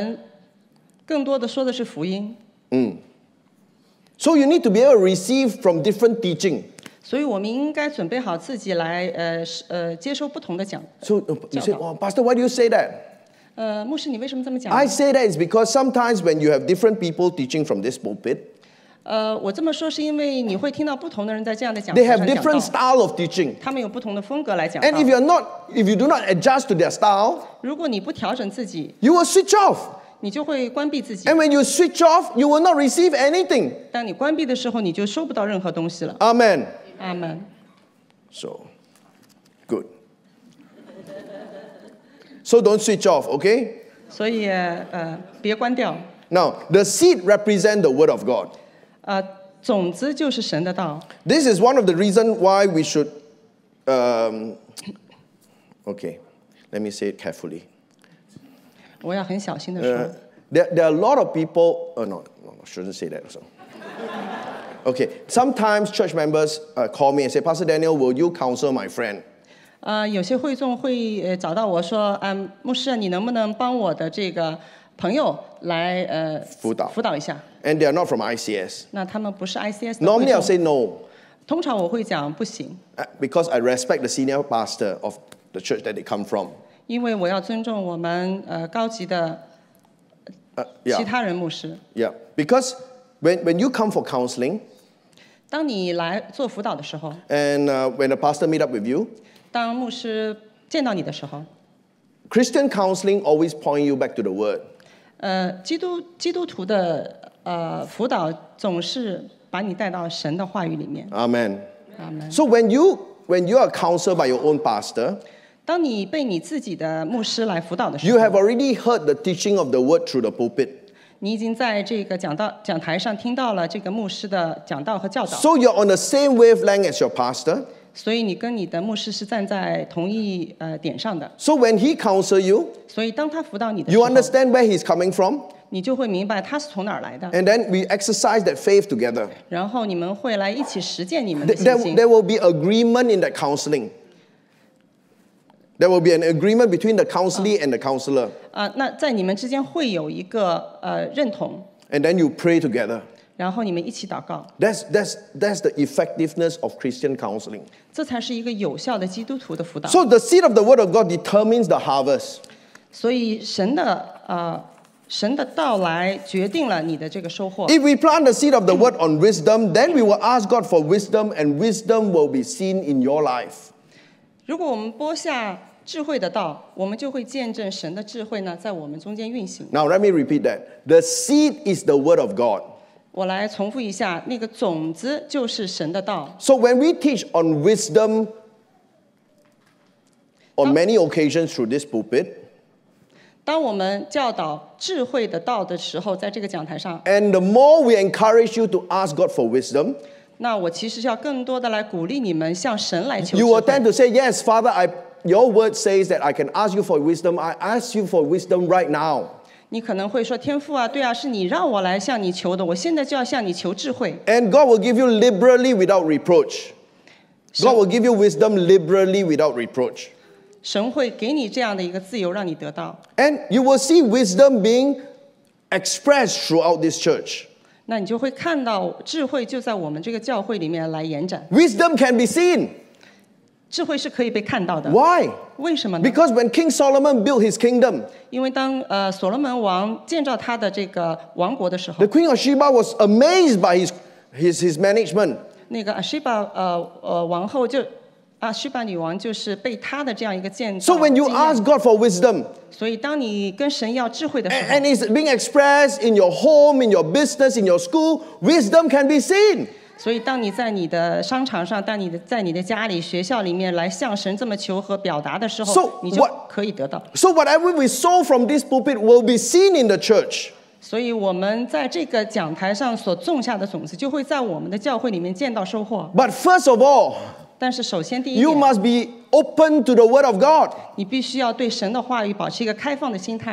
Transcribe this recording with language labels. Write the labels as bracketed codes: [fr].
[zh] 传道人更多的说的是福音。 [en] So you need to be able to receive from different teaching. [zh] 所以我们应该准备好自己来接受不同的讲道。 [en] So you say, oh, Pastor, why do you say that? [zh] 牧师，你为什么这么讲？ [en] I say that is because sometimes when you have different people teaching from this pulpit, [zh] 我这么说是因为你会听到不同的人在这样的讲道。 [en] They have different style of teaching. [zh] 他们有不同的风格来讲道。 [en] And if you do not adjust to their style, [zh] 如果你不调整自己, [en] you will switch off. [zh] 你就会关闭自己。 [en] And when you switch off, you will not receive anything. [zh] 当你关闭的时候, 你就收不到任何东西了。 [en] Amen. Amen. So, good. So don't switch off, okay? [zh] 所以, 别关掉。 [en] Now, the seed represents the word of God. [zh] 总之就是神的道。 [en] This is one of the reasons why we should, okay, let me say it carefully. [zh] 我要很小心的说。 [en] There are a lot of people, no, shouldn't say that. So. Okay, sometimes church members call me and say, Pastor Daniel, will you counsel my friend? [zh] 有些会众会找到我说, 牧师，你能不能帮我的这个, 朋友来辅导一下。 [en] And they are not from ICS. [zh] 那他们不是ICS的。 [en] Normally I'll say no. [zh] 通常我会讲不行。 [en] Because I respect the senior pastor of the church that they come from. [zh] 因为我要尊重我们, 高级的, 其他人牧师。 [en] Yeah, because when you come for counseling, [zh] 当你来做辅导的时候, [en] and when the pastor meet up with you, [zh] 当牧师见到你的时候, [en] Christian counseling always point you back to the word. [zh] 基督徒的辅导总是把你带到神的话语里面。 [en] Amen. Amen. So when you are counseled by your own pastor, [zh] 当你被你自己的牧师来辅导的时候, [en] you have already heard the teaching of the word through the pulpit. [zh] 你已经在这个讲台上听到了这个牧师的讲道和教导。 [en] So you're on the same wavelength as your pastor. [zh] 所以你跟你的牧师是站在同一点上的。 [en] So when he counsel you, [zh] 所以当他辅导你的时候, [en] you understand where he's coming from, [zh] 你就会明白他是从哪儿来的。 [en] And then we exercise that faith together. [zh] 然后你们会来一起实践你们的信心。 [en] There will be agreement in that counseling. There will be an agreement between the counselee and the counselor. [zh] 那在你们之间会有一个认同。 [en] And then you pray together. [zh] 然后你们一起祷告。 [en] That's the effectiveness of Christian counseling. [zh] 这才是一个有效的基督徒的辅导。 [en] So the seed of the word of God determines the harvest. [zh] 所以神的, 神的到来决定了你的这个收获。 [en] If we plant the seed of the word on wisdom, then we will ask God for wisdom, and wisdom will be seen in your life. [zh] 如果我们播下智慧的道，我们就会见证神的智慧呢，在我们中间运行。 [en] Now let me repeat that. The seed is the word of God. [zh] 我来重复一下，那个种子就是神的道。 [en] So when we teach on wisdom, on many occasions through this pulpit, [zh] 当我们教导智慧的道的时候，在这个讲台上 [en] ，and the more we encourage you to ask God for wisdom， [zh] 那我其实要更多的来鼓励你们向神来求智慧。 [en] You will tend to say, "Yes, Father, I, your word says that I can ask you for wisdom. I ask you for wisdom right now." [zh] 你可能会说，天父啊，对啊，是你让我来向你求的，我现在就要向你求智慧。 [en] And God will give you liberally without reproach. God will give you wisdom liberally without reproach. [zh] 神会给你这样的一个自由，让你得到。 [en] And you will see wisdom being expressed throughout this church. [zh] 那你就会看到智慧就在我们这个教会里面来延展。 [en] Wisdom can be seen. [zh] 智慧是可以被看到的。 [en] Why? [zh] 为什么呢？ [en] Because when King Solomon built his kingdom, [zh] 因为当所罗门王建造他的这个王国的时候 [en] ，The Queen of Sheba was amazed by his management. [zh] 那个 Sheba 王后就。啊，西巴女王就是被她的这样一个建造。 [en] So when you ask God for wisdom, [zh] 所以当你跟神要智慧的时候 [en] and it's being expressed in your home, in your business, in your school, wisdom can be seen. [zh] 所以当你在你的商场上，当你在你的家里、学校里面来向神这么求和表达的时候，你就可以得到。 [en] So whatever we sow from this pulpit will be seen in the church. [zh] 所以我们在这个讲台上所种下的种子，就会在我们的教会里面见到收获。 [en] But first of all. [zh] 但是首先第一点 [en] You must be open to the word of God. [zh] 你必须要对神的话语保持一个开放的心态。